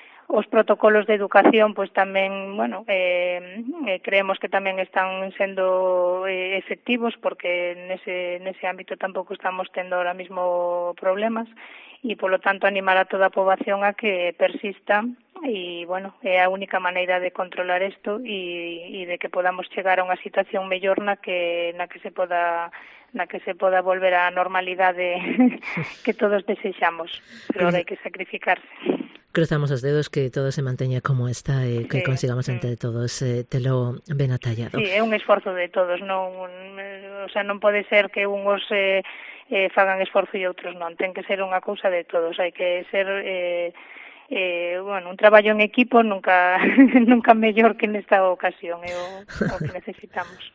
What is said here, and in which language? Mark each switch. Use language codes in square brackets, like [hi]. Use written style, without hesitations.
[gl] Os protocolos de educación, pues tamén, bueno, creemos que tamén están sendo efectivos, porque nese ámbito tampouco estamos tendo ahora mismo problemas, e polo tanto animar a toda a poboación a que persista, e, bueno, é a única maneira de controlar isto e de que podamos chegar a unha situación mellor na que se poda volver á normalidade que todos desexamos, pero ahora hai que sacrificarse. [es] Cruzamos los dedos que todo se mantenga como está y que sí, consigamos entre todos [gl] telo ben atallado. Sí, é un esforzo de todos, non pode ser que unos fagan esforzo e outros non, ten que ser unha cousa de todos, hai que ser un traballo en equipo nunca mellor que nesta ocasión, é o que necesitamos.